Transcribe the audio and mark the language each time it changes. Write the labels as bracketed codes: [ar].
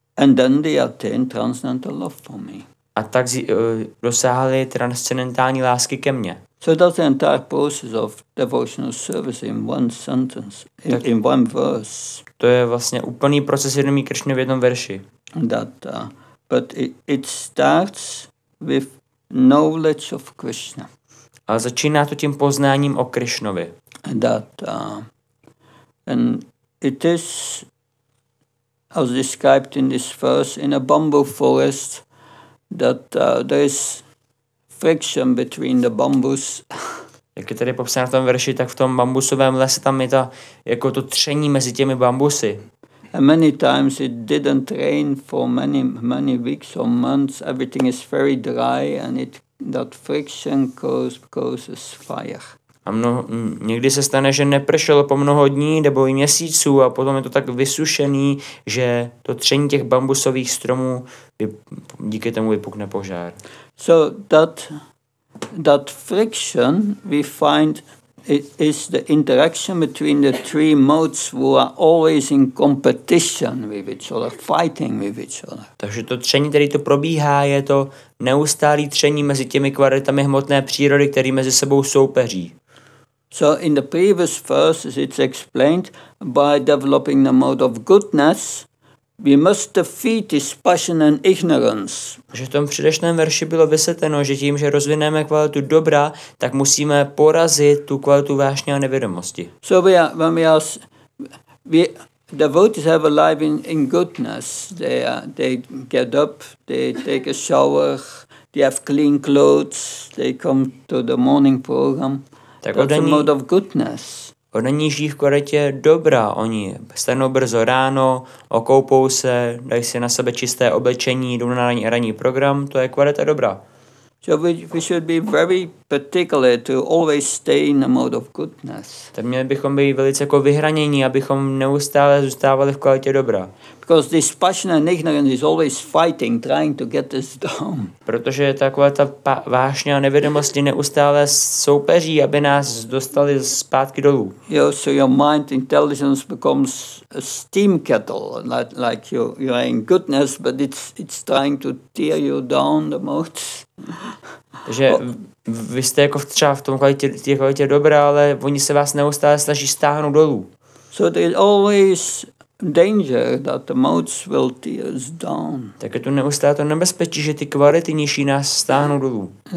[en] And then they attained transcendental love for me. [cs] A tak dosáhli transcendentální lásky ke mně. [en] So that's the entire process of devotional service in one sentence, in one verse. [cs] To je vlastně úplný proces vědomí Krišny v jednom verši. [en] That, but it starts with knowledge of Krishna. [cs] A začíná to tím poznáním o Krišnovi. [en] That, and it is, as described in this verse, in a bamboo forest, that there is friction between the bamboos. [cs] Jak je tady popsáno v tom verši, tak v tom bambusovém lese tam je ta, jako to tření mezi těmi bambusy. [en] And many times it didn't rain for many weeks or months. Everything is very dry and that friction causes fire. [cs] A někdy se stane, že nepršelo po mnoho dní nebo i měsíců a potom je to tak vysušený, že to tření těch bambusových stromů díky tomu vypukne požár. [en] So that friction we find is the interaction between the three modes who are always in competition with each other, fighting with each other. [cs] Takže to tření, které to probíhá, je to neustálý tření mezi těmi kvalitami hmotné přírody, které mezi sebou soupeří. [en] So in the previous verses it's explained by developing the mode of goodness, we must defeat this passion and ignorance. [cs] Že v tom předešlém verši bylo vysvětleno, že tím, že rozvineme kvalitu dobra, tak musíme porazit tu kvalitu vášně a nevědomosti. [en] So devotees have a life in goodness. They get up, they take a shower, they have clean clothes, they come to the morning program. [cs] Tak oddaní, [en] mode of goodness. [cs] Oddaní žijí v kvalitě dobrá. Oni stanou brzo ráno, okoupou se, dají si na sebe čisté oblečení, jdou na ranní program, to je kvalita dobrá. [en] So we should be very particular to always stay in the mode of goodness. [cs] Tak měli bychom být velice jako vyhranění, abychom neustále zůstávali v kvalitě dobra. [en] Because this passion and ignorance is always fighting, trying to get us down. [cs] Protože taková ta vášně a nevědomosti neustále soupeří, aby nás dostali zpátky dolů. [en] Yeah, so your mind intelligence becomes a steam kettle, like you are in goodness, but it's trying to tear you down the most. [cs] Že vy jste jako třeba v tom kvalitě dobrá, ale oni se vás neustále snaží stáhnout dolů. [en] So there is always danger that the modes will tear us down. [cs] Tak je tu neustále to nebezpečí, že ty kvality nižší nás stáhnou dolů.